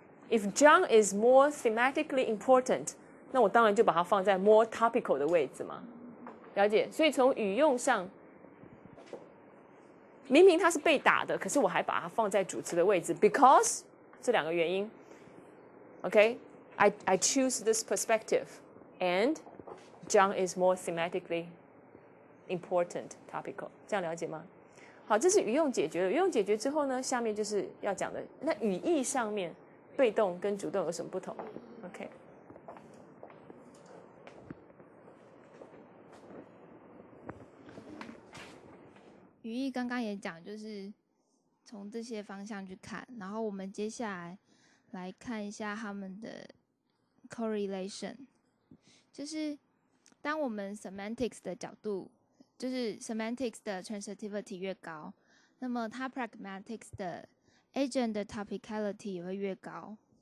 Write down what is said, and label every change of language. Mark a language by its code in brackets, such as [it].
[en] If John is more thematically important， [zh] 那我当然就把它放在 [en] more topical [zh] 的位置嘛。了解？所以从语用上，明明他是被打的，可是我还把它放在主词的位置， [en] because [zh] 这两个原因。 [en] OK，I choose this perspective, and John is more thematically important, topical. [zh] 这样了解吗？好，这是语用解决了。语用解决之后呢，下面就是要讲的，那语义上面被动跟主动有什么不同 ？OK。语义刚刚也讲，就是从这些方向去看，然后我们接下来来看一下他们的correlation， 就是当我们 semantics 的角度，就是 semantics 的 transitivity 越高，那么它 pragmatics 的 agent 的 topicality 也会越高。